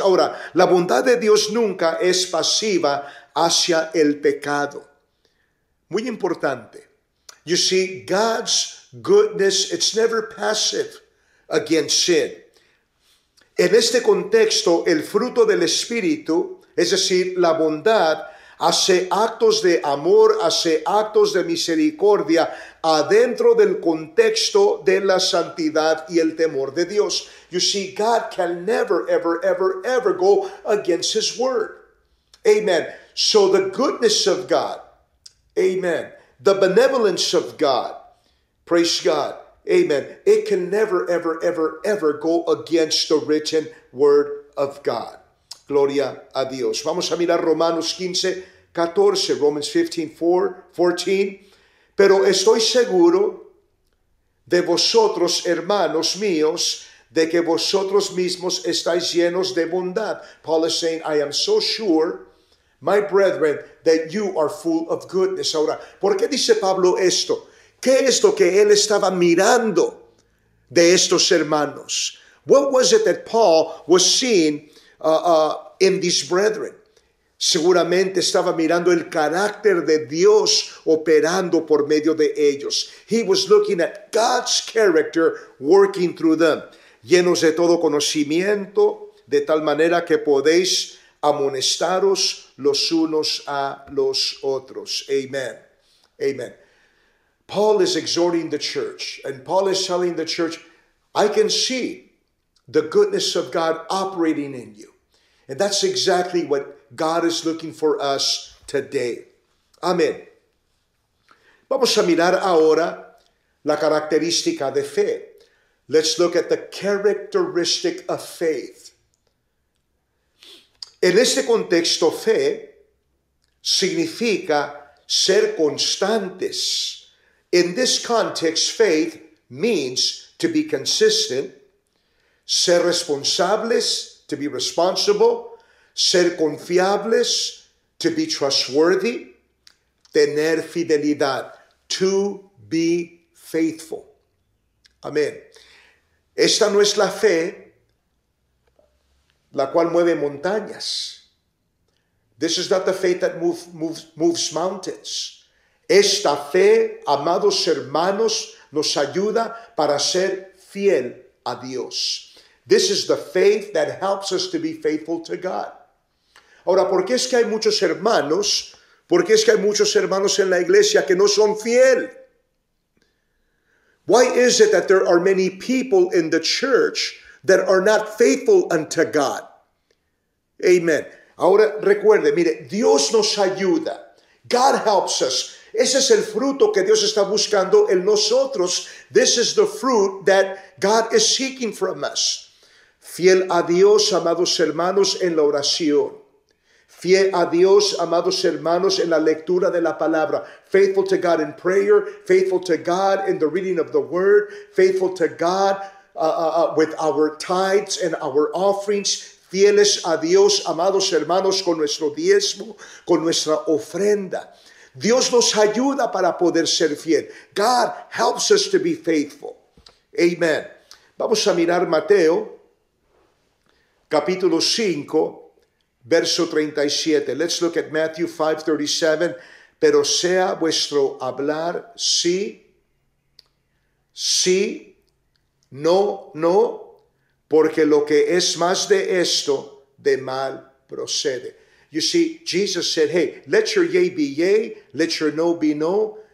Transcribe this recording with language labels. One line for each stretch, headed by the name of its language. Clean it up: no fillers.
Spanish: Ahora, la bondad de Dios nunca es pasiva hacia el pecado. Muy importante.
English: You see, God's goodness, it's never passive against sin.
Spanish: En este contexto, el fruto del Espíritu, es decir, la bondad, hace actos de amor, hace actos de misericordia adentro del contexto de la santidad y el temor de Dios.
English: You see, God can never, ever, ever, ever go against His word. Amen. So the goodness of God, amen, the benevolence of God, praise God, amen, it can never, ever, ever, ever go against the written word of God.
Spanish: Gloria a Dios. Vamos a mirar Romanos 15, 14.
English: Romans 15, 14.
Spanish: Pero estoy seguro de vosotros, hermanos míos, de que vosotros mismos estáis llenos de bondad.
English: Paul is saying, I am so sure, my brethren, that you are full of goodness.
Spanish: Ahora, ¿por qué dice Pablo esto? ¿Qué es lo que él estaba mirando de estos hermanos?
English: What was it that Paul was seeing in these brethren?
Spanish: Seguramente estaba mirando el carácter de Dios operando por medio de ellos.
English: He was looking at God's character working through them.
Spanish: Llenos de todo conocimiento, de tal manera que podéis amonestaros los unos a los otros. Amen. Amen.
English: Paul is exhorting the church, and Paul is telling the church, I can see the goodness of God operating in you. And that's exactly what God is looking for us today. Amén.
Spanish: Vamos a mirar ahora la característica de fe.
English: Let's look at the characteristic of faith.
Spanish: En este contexto, fe significa ser constantes.
English: In this context, faith means to be consistent,
Spanish: ser responsables,
English: to be responsible,
Spanish: ser confiables,
English: To be trustworthy,
Spanish: tener fidelidad,
English: to be faithful. Amén.
Spanish: Esta no es la fe la cual mueve montañas.
English: This is not the faith that moves mountains.
Spanish: Esta fe, amados hermanos, nos ayuda para ser fiel a Dios.
English: This is the faith that helps us to be faithful to God.
Spanish: Ahora, ¿por qué es que hay muchos hermanos? ¿Por qué es que hay muchos hermanos en la iglesia que no son fiel?
English: Why is it that there are many people in the church that are not faithful unto God?
Spanish: Amen. Ahora, recuerde, mire, Dios nos ayuda.
English: God helps us.
Spanish: Ese es el fruto que Dios está buscando en nosotros.
English: This is the fruit that God is seeking from us.
Spanish: Fiel a Dios, amados hermanos, en la oración. Fiel a Dios, amados hermanos, en la lectura de la palabra.
English: Faithful to God in prayer. Faithful to God in the reading of the word. Faithful to God with our tithes and our offerings.
Spanish: Fieles a Dios, amados hermanos, con nuestro diezmo, con nuestra ofrenda. Dios nos ayuda para poder ser fiel.
English: God helps us to be faithful.
Spanish: Amen. Vamos a mirar Mateo, capítulo 5, verso 37.
English: Let's look at Matthew 5, 37.
Spanish: Pero sea vuestro hablar sí, sí, no, no, porque lo que es más de esto, de mal procede.
English: You see, Jesus said, hey, let your yea be yea, let your no be no.